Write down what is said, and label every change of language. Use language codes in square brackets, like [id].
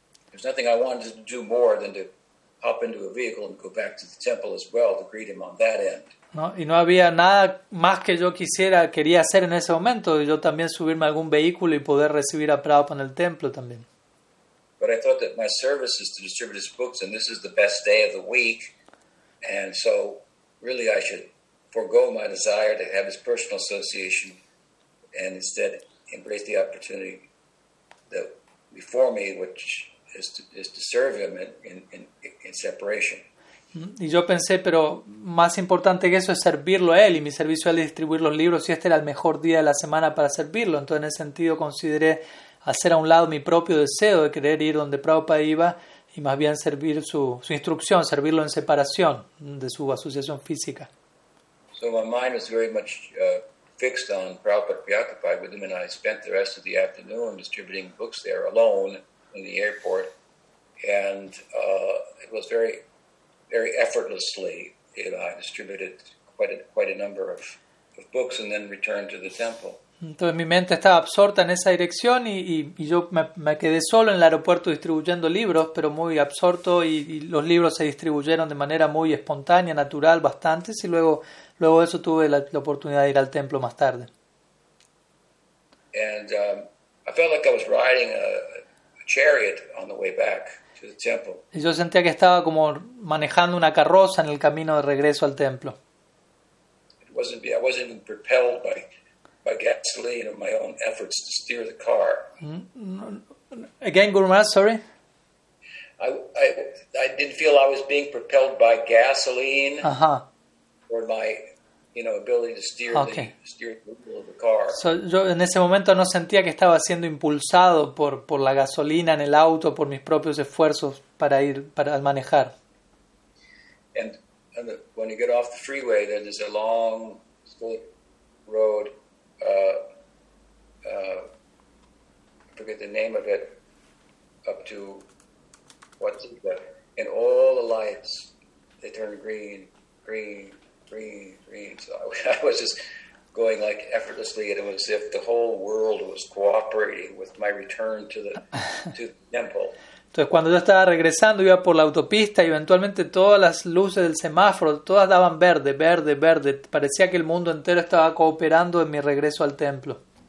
[en] There's nothing I wanted to do more than to hop into a vehicle and go back to the temple as well to greet him on that end. [es] No, y no había nada más que yo quería hacer en ese momento, yo también subirme a algún vehículo y poder recibir a Prabhupada en el templo también. [en] But I thought that my service is to distribute his books and this is the best day of the week, and so really I should forego my desire to have his personal association and instead embrace the opportunity that before me, which is to serve him in separation. [es] Y yo pensé, pero más importante que eso es servirlo a él, y mi servicio es distribuir los libros, y este era el mejor día de la semana para servirlo. Entonces, en ese sentido, consideré hacer a un lado mi propio deseo de querer ir donde Prabhupada iba y más bien servir su instrucción, servirlo en separación de su asociación física. [en] So my mind was very much fixed on Prabhupada preoccupied with him, and I spent the rest of the afternoon distributing books there alone in the airport, and it was very, very effortlessly, you know, I distributed quite a number of books and then returned to the temple. [es] Entonces mi mente estaba absorta en esa dirección y yo me quedé solo en el aeropuerto distribuyendo libros, pero muy absorto y los libros se distribuyeron de manera muy espontánea, natural, bastantes, y luego de eso tuve la oportunidad de ir al templo más tarde. [en] And I felt like I was riding a chariot on the way back to the temple. [es] Y yo sentía que estaba como manejando una carroza en el camino de regreso al templo. [en] I wasn't even propelled by gasoline or my own efforts to steer the car. Again, Guru Maharaj, sorry. I didn't feel I was being propelled by gasoline. Uh-huh. Or my, you know, ability to steer, okay, steer the wheel of the car. [es] So yo en ese momento no sentía que estaba siendo impulsado por la gasolina en el auto, por mis propios esfuerzos para manejar. [en] And when you get off the freeway, then there's a long split road. I forget the name of it, up to what is it? And all the lights, they turn green. So I was just going like effortlessly, and it was as if the whole world was cooperating with my return to the temple. [es] Entonces, cuando yo estaba regresando, iba por la autopista y eventualmente todas las luces del semáforo, todas daban verde, verde, verde. Parecía que el mundo entero estaba cooperando en mi regreso al templo.